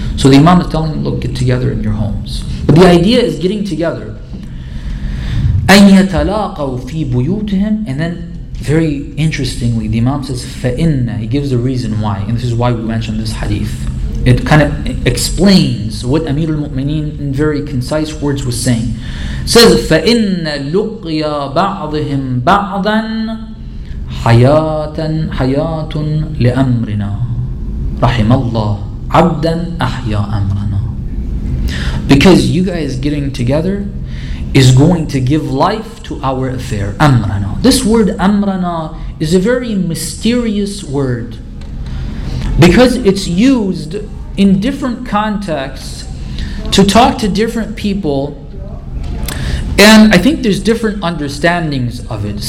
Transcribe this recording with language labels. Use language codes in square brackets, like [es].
[en] So the Imam is telling them, look, get together in your homes. But the idea is getting together. [ar] أَنْ يَتَلَاقَوْا فِي بُيُوتِهِمْ. [en] And then, very interestingly, the Imam says, [ar] فَإِنَّ. [en] He gives the reason why. And this is why we mentioned this hadith. It kind of explains what Amir al-Mu'mineen, in very concise words, was saying. It says, [ar] فَإِنَّ لُقِّيَ بَعْضِهِمْ بَعْضًا حَيَاةٌ لِأَمْرِنَا. رحم الله عبدا أحيا أمرنا. [en] Because you guys getting together is going to give life to our affair. [ar] أمرنا. [en] This word أمرنا is a very mysterious word because it's used in different contexts to talk to different people, and I think there's different understandings of it.